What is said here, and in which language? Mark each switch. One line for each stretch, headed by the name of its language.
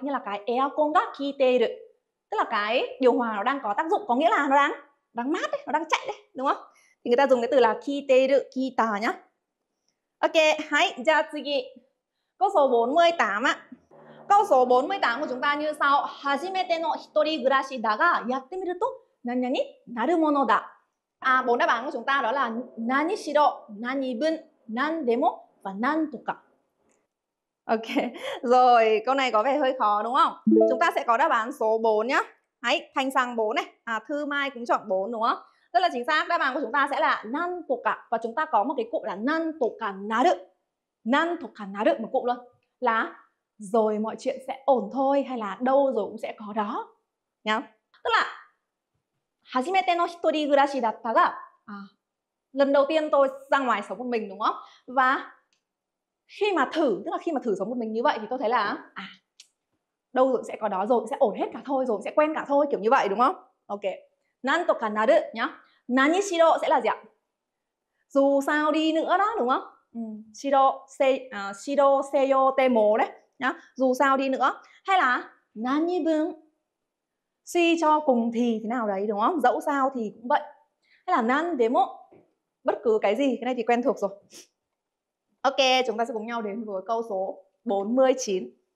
Vietnamese: Như là cái aircon
Japanese: ga kiteru,
Vietnamese: tức là cái điều hòa nó đang có tác dụng. Có nghĩa là nó đang mát đấy, nó đang chạy đấy, đúng không? Thì người ta dùng cái từ là kiteru, kita nhá. Ok, hãy,
Japanese: ja tsugi.
Vietnamese: Câu số 48 ạ. Câu số 48 của chúng ta như sau.
Japanese: 初めての一人暮らしだがやってみると何々なるものだ.
Vietnamese: À, bốn đáp án của chúng ta đó là
Japanese: 何しろ何分何でも何とか.
Vietnamese: Ok, rồi câu này có vẻ hơi khó đúng không? Chúng ta sẽ có đáp án số 4 nhé. Hãy thanh sang 4 này. À, Thư Mai cũng chọn 4 đúng không? Tức là chính xác, đáp án của chúng ta sẽ là 何とか. Và chúng ta có một cái cụm là
Japanese: 何とかなる.
Vietnamese: 何とかなる, một cụm luôn. Là rồi mọi chuyện sẽ ổn thôi, hay là đâu rồi cũng sẽ có đó. Nhá. Tức là
Japanese: 初めての一人暮らしだったが,
Vietnamese: à, lần đầu tiên tôi ra ngoài sống một mình đúng không? Và khi mà thử, tức là khi mà thử sống một mình như vậy thì tôi thấy là à, đâu rồi sẽ có đó, rồi sẽ ổn hết cả thôi, rồi sẽ quen cả thôi, kiểu như vậy đúng không? Ok.
Japanese: 何とかなる
Vietnamese: nhá. 何しろ sẽ là gì ạ? Dù sao đi nữa đó đúng không?
Japanese: しろせよても
Vietnamese: đấy nhá. Dù sao đi nữa, hay là 何分 suy cho cùng thì thế nào đấy đúng không? Dẫu sao thì cũng vậy. Hay là 何でも bất cứ cái gì, cái này thì quen thuộc rồi. Ok, chúng ta sẽ cùng nhau đến với câu số 49.